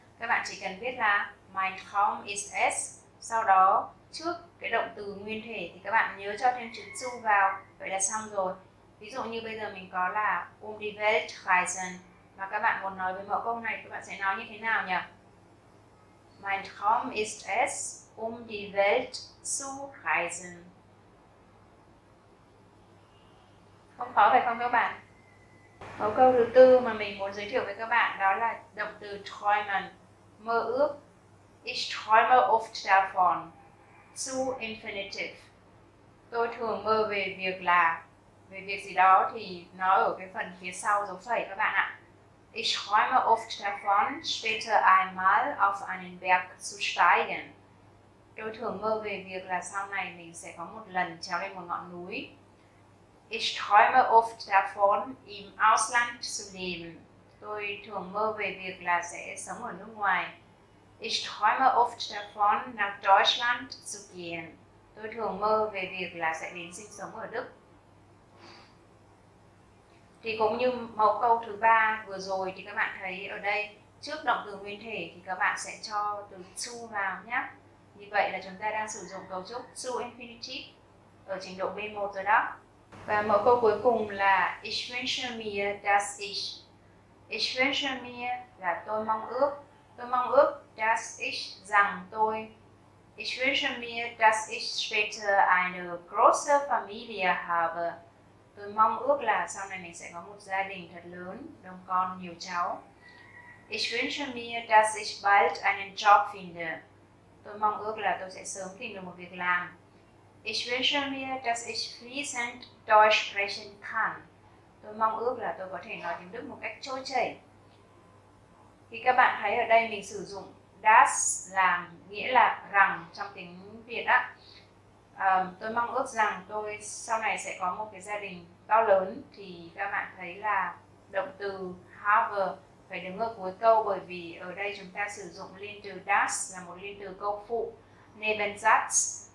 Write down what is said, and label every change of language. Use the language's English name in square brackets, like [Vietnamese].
[Vietnamese] Các bạn chỉ cần viết là [German] mein Traum ist es, [Vietnamese] sau đó trước cái động từ nguyên thể thì các bạn nhớ cho thêm chữ zu vào, vậy là xong rồi. Ví dụ như bây giờ mình có là [German] die Welt reisen, [Vietnamese] mà các bạn muốn nói với mẫu câu này các bạn sẽ nói như thế nào nhỉ? [German] Mein Traum ist es, die Welt zu reisen. [Vietnamese] Không khó phải không các bạn? Mẫu câu thứ tư mà mình muốn giới thiệu với các bạn đó là động từ träumen, mơ ước. [German] Ich träume oft davon, zu infinitive. [Vietnamese] Tôi thường mơ về việc là, về việc gì đó thì nó ở cái phần phía sau dấu phẩy các bạn ạ. [German] Ich träume oft davon, später einmal auf einen Berg zu steigen. [Vietnamese] Tôi thường mơ về việc là sau này mình sẽ có một lần trèo lên một ngọn núi. [German] Ich träume oft davon, im Ausland zu leben. [Vietnamese] Tôi thường mơ về việc là sẽ sống ở nước ngoài. [German] Ich träume oft davon, nach Deutschland zu gehen. [Vietnamese] Tôi thường mơ về việc là sẽ đến sinh sống ở Đức. Thì cũng như mẫu câu thứ ba vừa rồi thì các bạn thấy ở đây, trước động từ nguyên thể thì các bạn sẽ cho từ zu vào nhé. Như vậy là chúng ta đang sử dụng cấu trúc zu infinitive ở trình độ B1 rồi đó. Và mẫu câu cuối cùng là [German] Ich wünsche mir, dass ich. Ich wünsche mir [Vietnamese] là tôi mong ước. Tôi mong ước, [German] dass ich, [Vietnamese] rằng tôi. [German] Ich wünsche mir, dass ich später eine große Familie habe. [Vietnamese] Tôi mong ước là sau này mình sẽ có một gia đình thật lớn, đông con, nhiều cháu. [German] Ich wünsche mir, dass ich bald einen Job finde. [Vietnamese] Tôi mong ước là tôi sẽ sớm tìm được một việc làm. [German] Ich wünsche mir, dass ich fließend Deutsch sprechen kann. [Vietnamese] Tôi mong ước là tôi có thể nói tiếng Đức một cách trôi chảy. Thì các bạn thấy ở đây mình sử dụng das là nghĩa là rằng trong tiếng Việt á. Tôi mong ước rằng tôi sau này sẽ có một cái gia đình to lớn. Thì các bạn thấy là động từ have phải đứng ở cuối câu, bởi vì ở đây chúng ta sử dụng liên từ das là một liên từ câu phụ, Nebensatz.